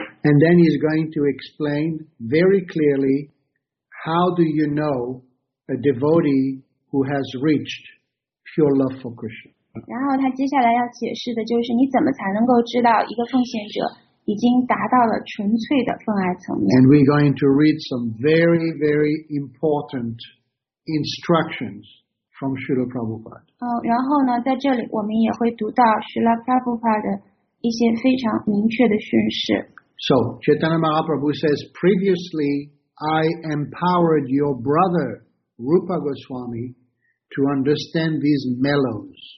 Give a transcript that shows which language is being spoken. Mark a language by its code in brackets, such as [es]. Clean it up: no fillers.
[en] And then he's going to explain very clearly how do you know a devotee who has reached pure love for Krishna. [zh] 然后他接下来要解释的就是你怎么才能够知道一个奉献者已经达到了纯粹的奉爱层面。 [en] And we're going to read some very, very important instructions from Srila Prabhupada. [zh] 然后呢，在这里我们也会读到 Srila Prabhupada 的一些非常明确的训示。 [en] So, Chaitanya Mahaprabhu says, previously, I empowered your brother, Rupa Goswami,to understand these mellows.